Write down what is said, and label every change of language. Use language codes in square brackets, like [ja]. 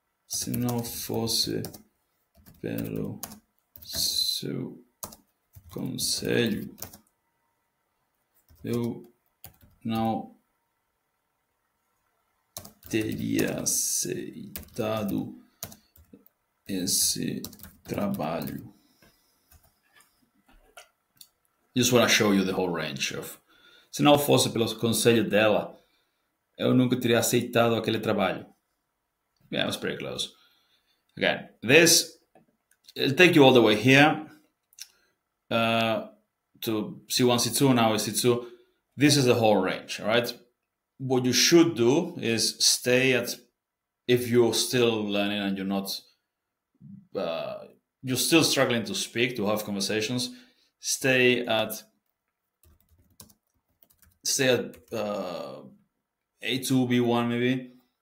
[pt] Se não fosse pelo seu conselho, eu não teria aceitado esse trabalho. [en] Just want to show you the whole range of... [pt] Se não fosse pelo conselho dela, eu nunca teria aceitado aquele trabalho. [en] Yeah, it was pretty close. Okay, this, it'll take you all the way here to C1, C2, now it's C2. This is the whole range, all right? What you should do is stay at, if you're still learning and you're not, you're still struggling to speak, to have conversations, stay at A2, B1 maybe.